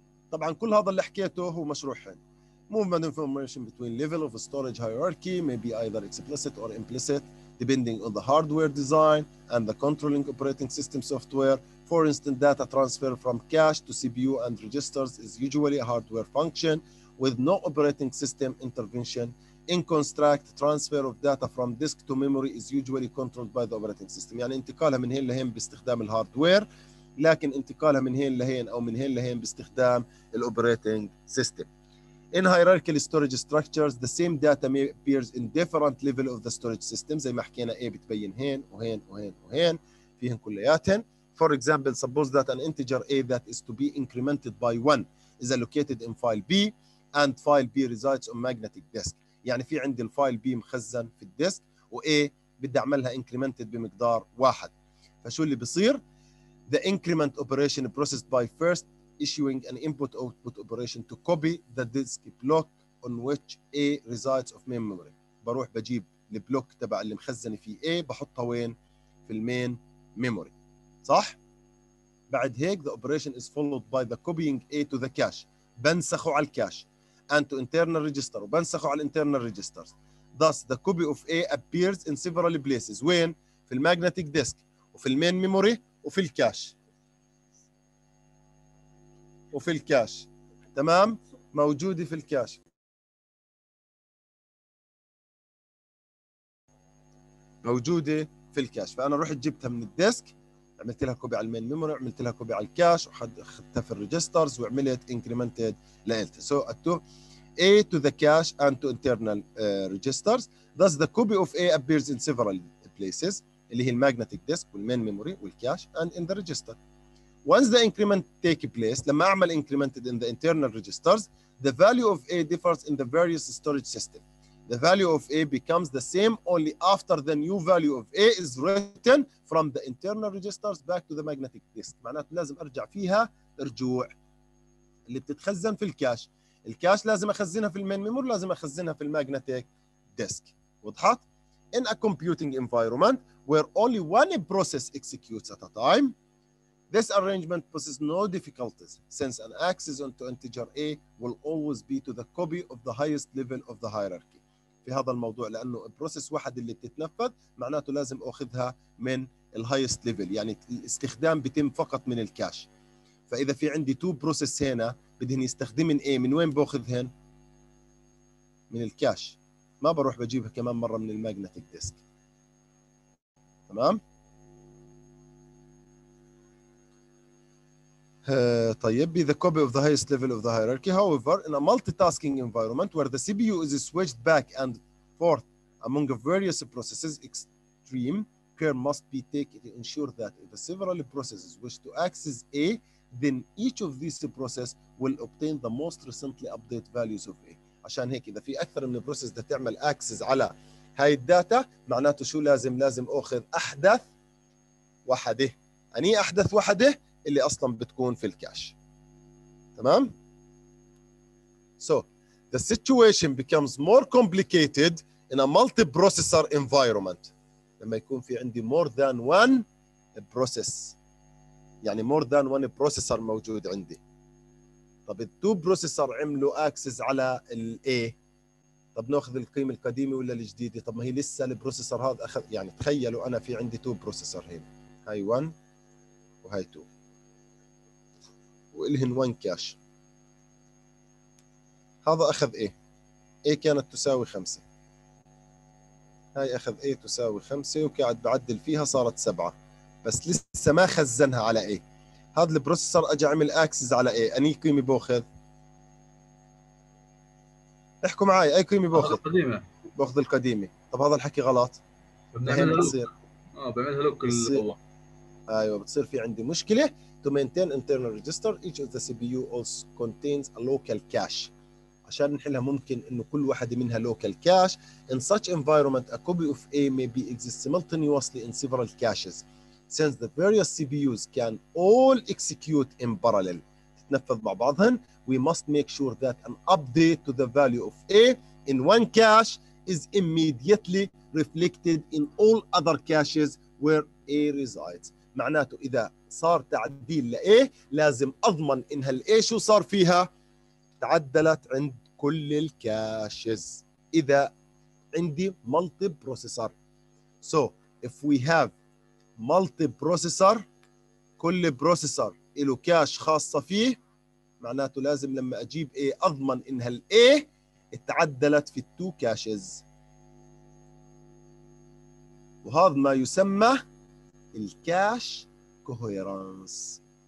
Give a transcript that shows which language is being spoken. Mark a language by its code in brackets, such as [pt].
[ar] طبعا كل هذا اللي حكيته هو مشروحين، [en] movement information between level of storage hierarchy may be either explicit or implicit depending on the hardware design and the controlling operating system software. For instance, data transfer from cache to CPU and registers is usually a hardware function with no operating system intervention. In contrast, transfer of data from disk to memory is usually controlled by the operating system. [ar] يعني انتقالها من هين لهين باستخدام الهاردوير، لكن انتقالها من هين لهين أو من هين لهين باستخدام الoperating system. [en] In hierarchical storage structures, the same data may appear in different levels of the storage system. [ar] زي ما حكينا A بتبين هين وهين وهين وهين فيهن كلياتهن. [en] For example, suppose that an integer A that is to be incremented by 1 is allocated in file B and file B resides on magnetic disk. [ar] يعني في عندي الفايل B مخزن في الديسك وA بدي أعملها incremented بمقدار 1. فشو اللي بصير؟ [en] The increment operation processed by first issuing an input output operation to copy the disk block on which A resides of main memory. [ar] بروح بجيب البلوك تبع اللي مخزن فيه A بحطها وين؟ في المين ميموري، صح؟ بعد هيك [en] the operation is followed by the copying A to the cache. [ar] بنسخه على [en] cache and to internal register [ar] وبنسخه على [en] internal registers. Thus the copy of A appears in several places. [ar] وين؟ في الماجنتيك ديسك وفي المين ميموري وفي الكاش. وفي الكاش، تمام؟ موجودة في الكاش. موجودة في الكاش، فأنا رحت جبتها من الديسك، عملت لها كوبي على المين ميموري، عملت لها كوبي على الكاش، وخدتها في الريجسترز، وعملت incremented لإلتها. [en] So, to A to the cache and to internal registers. Thus, the copy of A appears in several places, [ar] اللي هي الماجنتيك ديسك والمين ميموري والكاش [en] and in the register. Once the increment takes place, [ar] لما أعمل [en] incremented in the internal registers, the value of A differs in the various storage system. The value of A becomes the same only after the new value of A is written from the internal registers back to the magnetic disk. [ar] معناته لازم أرجع فيها رجوع اللي بتتخزن في الكاش. الكاش لازم أخزنها في المين ميموري، لازم أخزنها في الماجنتيك ديسك. وضحت؟ [en] In a computing environment where only one process executes at a time, this arrangement poses no difficulties since an access onto integer A will always be to the copy of the highest level of the hierarchy. [ar] في هذا الموضوع لأنه البروسيس واحد اللي بتتنفذ معناته لازم أخذها من الـ highest level، يعني الاستخدام بتم فقط من الكاش. فإذا في عندي two process هنا بدهن يستخدمن A، من وين بأخذهن؟ من الكاش، ما بروح بجيبها كمان مرة من الماجنتيك ديسك. تمام؟ طيب. [en] Be the copy of the highest level of the hierarchy. However, in a multitasking environment where the CPU is switched back and forth among various processes, extreme care must be taken to ensure that if several processes wish to access A, then each of these processes will obtain the most recently updated values of A. [ar] عشان هيك إذا في أكثر من process ده تعمل access على هاي الداتا، معناته شو لازم؟ لازم أخذ أحدث وحدة. أني أحدث وحدة اللي اصلا بتكون في الكاش. تمام. [en] So the situation becomes more complicated in a multi processor environment. [ar] لما يكون في عندي [en] more than one process، [ar] يعني [en] more than one processor [ar] موجود عندي. طب ال two processor عملوا access على ال A، طب ناخذ القيمه القديمه ولا الجديده؟ طب ما هي لسه البروسيسور هذا اخذ، يعني تخيلوا انا في عندي two processor هنا، هاي 1 وهاي 2 والهن 1 كاش. هذا اخذ A، A كانت تساوي 5، هاي اخذ A تساوي 5 وقاعد بعدل فيها صارت 7، بس لسه ما خزنها على A. هذا البروسيسور اجى عمل اكسس على A، اني قيمه باخذ؟ احكوا معي اي قيمه باخذ؟ القديمه. باخذ القديمه. طب هذا الحكي غلط، بنعملها بتصير بعملها لوك القوه. ايوه بتصير في عندي مشكله. [en] To maintain internal register, each of the CPU also contains a local cache. [ar] عشان نحلها ممكن انه كل واحدة منها local cache. [en] In such environment a copy of A may be exist simultaneously in several caches since the various CPUs can all execute in parallel. [ar] تتنفذ مع بعضهن. [en] We must make sure that an update to the value of A in one cache is immediately reflected in all other caches where A resides. [ar] معناته إذا صار تعديل لA لازم أضمن إن هالA شو صار فيها تعدلت عند كل الكاشز إذا عندي multi-processor. [en] So if we have multi-processor [ar] كل processor إلو كاش خاصة فيه معناته لازم لما أجيب A أضمن إن هالA تعدلت في التو كاشز وهذا ما يسمى الكاش كوهيرانس.